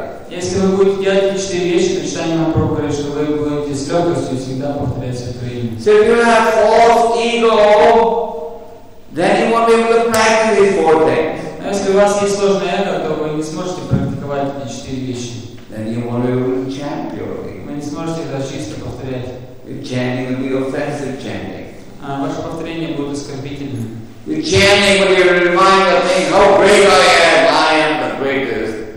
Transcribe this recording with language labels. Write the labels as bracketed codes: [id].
[ru] Если вы будете делать эти четыре вещи, то Читание Махапрабху говорит, что вы будете с легкостью всегда повторять святое имя. [en] So if you have false ego, then you won't be able to practice these four things. [ru] Но если у вас есть сложное эго, то вы не сможете практиковать эти четыре вещи. [en] Then you won't be able to chant purely. [ru] Вы не сможете это чисто повторять. [en] Your chanting will be offensive chanting. [ru] Ваше повторение будет оскорбительным. [en] Your chanting will be a reminder of things, how great I am the greatest.